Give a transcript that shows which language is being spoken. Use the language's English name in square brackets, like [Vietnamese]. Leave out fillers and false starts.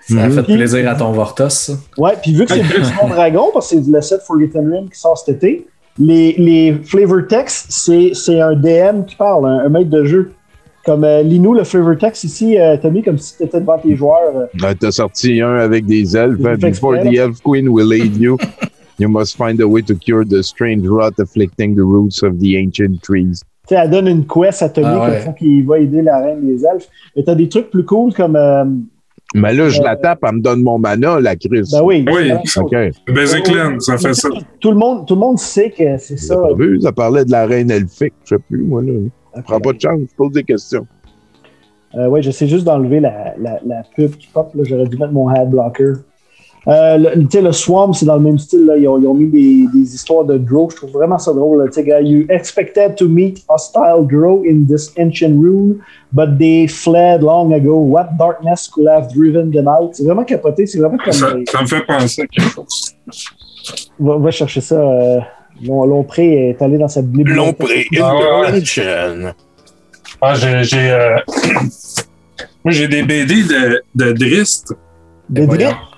[French] Ça a fait plaisir à ton Vortos, ça. Ouais, puis vu que c'est plus mon dragon, parce que c'est le set Forgotten Realms qui sort cet été, les flavor text, c'est un DM qui parle, un maître de jeu. Comme Linou, le flavor text ici, t'as mis comme si t'étais devant tes joueurs. T'as sorti un avec des elfes. [English] Before the elf queen will aid you, you must find a way to cure the strange rot afflicting the roots of the ancient trees. [French] T'sais, elle donne une quest à Tommy comme ça qu'il va aider la reine des elfes. Mais t'as des trucs plus cool comme... Mais là, je la tape, elle me donne mon mana, la crise. Ben oui. Oui. Okay. Basic Land, ça fait ça. Tout le monde sait que c'est ça. J'ai pas vu, ça parlait de la reine elfique. Je sais plus, moi, là. Okay. Prends pas de chance, je pose des questions. Oui, j'essaie juste d'enlever la pub qui pop. Là. J'aurais dû mettre mon ad blocker. Le Swamp, c'est dans le même style. Là. Ils ont mis des histoires de Drow. Je trouve vraiment ça drôle. Tu sais, [English] you expected to meet hostile Drow in this ancient room, but they fled long ago. What darkness could have driven them out? [French] C'est vraiment capoté. C'est vraiment comme... Ça me fait penser à quelque chose. On va chercher ça. Lompré est allé dans sa bibliothèque. Lompré, Intervention. Ah, j'ai moi, j'ai des BD de Drist. De Drist?